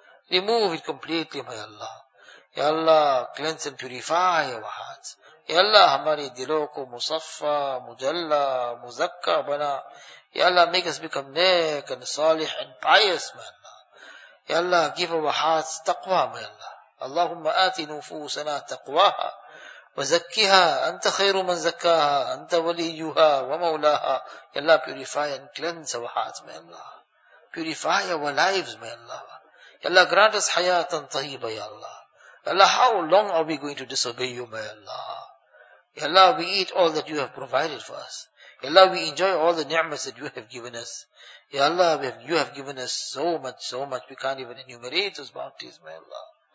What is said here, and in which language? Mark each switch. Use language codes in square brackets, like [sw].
[en] Remove it completely, my Allah. Ya Allah, cleanse and purify our hearts. [ur] Ya Allah, hamari dilo ko musaffa, mujalla, muzakka bana. [en] Ya Allah, make us become nek and salih and pious, my Allah. Ya Allah, give our hearts taqwa, my Allah. [ar] اللهم آت نفوسنا تقواها وزكها أنت خير من زكاها أنت وليها ومولاها. [en] يا الله purify and cleanse our hearts, may Allah purify our lives, may Allah. يا الله grant us [ar] حياة طيبة. [en] يا الله, يا الله, how long are we going to disobey you, may Allah. يا الله, we eat all that you have provided for us. يا الله, we enjoy all the ni'mas that you have given us. يا الله, you have given us so much we can't even enumerate those bounties, may Allah.